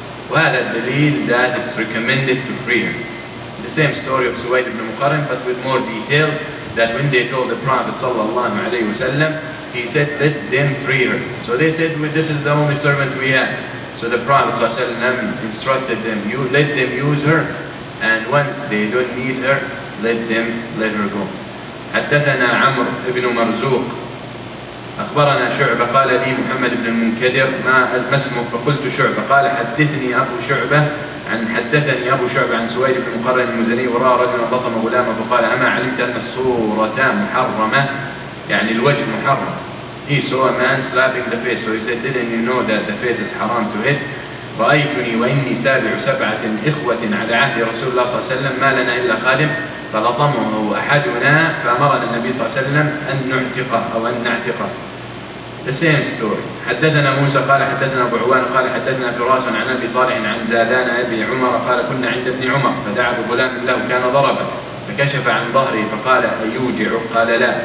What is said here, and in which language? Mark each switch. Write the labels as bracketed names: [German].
[Arabic] وهذا الدليل [English] that it's recommended to free him. The same story of Suwaid ibn Muqarrin but with more details, that when they told the Prophet صلى الله عليه وسلم, he said let them free her. So they said, well, this is the only servant we have. So the Prophet صلى الله عليه وسلم instructed them, you let them use her, and once they don't need her, let her go. [Arabic] حدثنا عمرو بن مرزوق أخبرنا شعبة قال لي محمد بن المنكدر ما اسمك فقلت شعبة قال حدثني أبو شعبة عن حدثني أبو شعبة عن سويد بن مقرن المزني ورأى رجلا لطم غلاما فقال أما علمت أن الصورة محرمة يعني الوجه محرم. [English] He saw a man slapping the face, so he said didn't you know that the face is haram to hit. [Arabic] رأيتني وإني سابع سبعة إخوة على عهد رسول الله صلى الله عليه وسلم ما لنا إلا خادم فلطمه أحدنا فأمرنا النبي صلى الله عليه وسلم أن نعتقه أو أن نعتقه. [English] The same story. [Arabic] حدثنا موسى قال حدثنا أبو عوان قال حدثنا فراس عن أبي صالح عن زادان أبي عمر قال كنا عند ابن عمر فدعا بغلام له كان ضربا فكشف عن ظهره فقال أيوجع؟ قال لا.